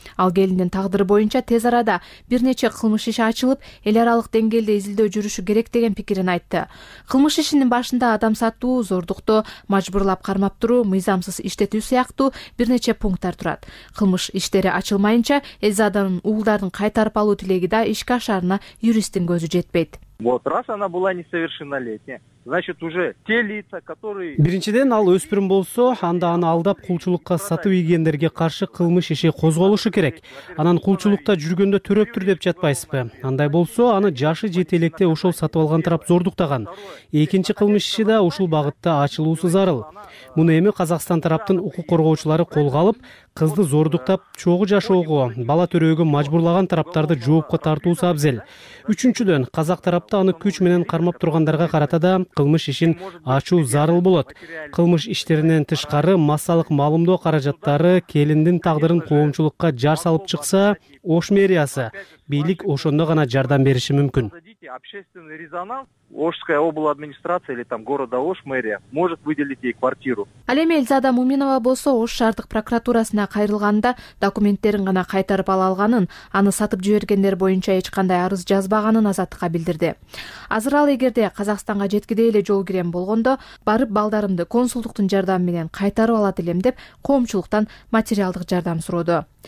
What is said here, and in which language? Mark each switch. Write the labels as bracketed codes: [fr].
[ky] Ал келиндин тагдыры боюнча тез арада бир нече кылмыш иши ачылып, эл аралык деңгээлде изилдөө жүрүшү керек деген пикирин айтты. Кылмыш ишинин башында адам саттуу, зордукту мажбурлап кармап туруу, мыйзамсыз иштетүү сыяктуу бир нече пункттар турат. Кылмыш иштери ачылмайынча Элизаданын уулдарын кайтарып алуу тилеги да ишке ашарына юристтин көзү жетпейт. [ru] Вот раз она была несовершеннолетняя, значит уже те лица, которые [ky] биринчиден ал өспүрүм болсо, анда аны алдап кулчулукка сатып ийгендерге каршы кылмыш иши козголушу керек. Анан кулчулукта жүргөндө төрөптүр деп жатпайсызбы? Андай болсо, аны жашы жете электе ошол сатып алган тарап зордуктаган. Экинчи кылмыш иши да ушул багытта ачылуусу зарыл. Муну эми Казакстан тараптын укук коргоочулары колго алып, кызды зордуктап чогуу жашоого, бала төрөөгө мажбурлаган тараптарды жоопко тартуусу абзел. Үчүнчүдөн, казак тарапта аны күч менен кармап тургандарга карата да кылмыш ишин ачуу зарыл болот. Кылмыш иштеринен тышкары массалык маалымдоо каражаттары келиндин тагдырын коомчулукка жар салып чыкса, Ош мэриясы, бийлик ошондо гана жардам бериши мүмкүн. [ru] Общественный резонанс Ошская обладминистрация или там города Ош мэрия может выделить ей квартиру. [ky] Ал эми Элизада Муминова болсо Ош шаардык прокуратурасына кайрылганда документтерин гана кайтарып ала алганын, аны сатып жибергендер боюнча эч кандай арыз жазбаганын азаттыкка билдирди. Азыр ал эгерде Казакстанга жеткиде эле жол кирем болгондо барып балдарымды консулдуктун жардамы менен кайтарып алат элем деп коомчулуктан материалдык жардам суроодо.